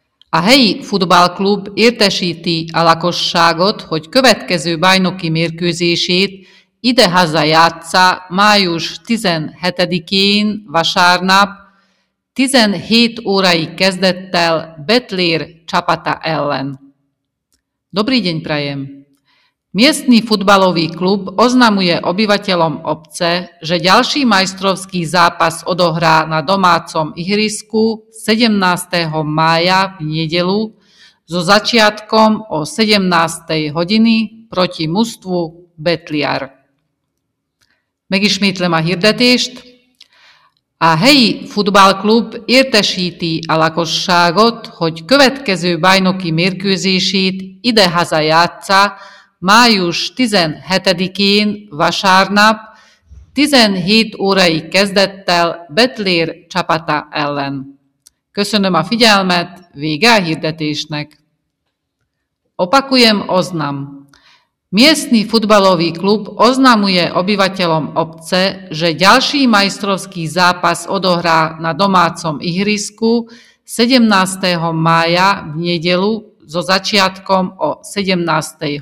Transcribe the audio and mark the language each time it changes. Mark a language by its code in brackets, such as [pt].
[hu] A helyi futballklub értesíti a lakosságot, hogy következő bajnoki mérkőzését idehaza játssza május 17-én vasárnap 17 órai kezdettel Betlér csapata ellen. [sk] Dobrý deň prajem! Miestny futbalový klub oznamuje obyvateľom obce, že ďalší majstrovský zápas odohrá na domácom ihrisku 17. mája v nedeľu so začiatkom o 17. hodiny proti mužstvu Betliar. [hu] Megismétlem a hirdetést. A helyi futballklub értesíti a lakosságot, hogy következő bajnoki mérkőzését idehaza játssza május 17-én vasárnap 17 órai kezdettel Betlér csapata ellen. Köszönöm a figyelmet, vége a hirdetésnek. [sk] Opakujem oznam. Miestny futbalový klub oznamuje obyvateľom obce, že ďalší majstrovský zápas odohrá na domácom ihrisku 17. mája v nedeľu so začiatkom o 17.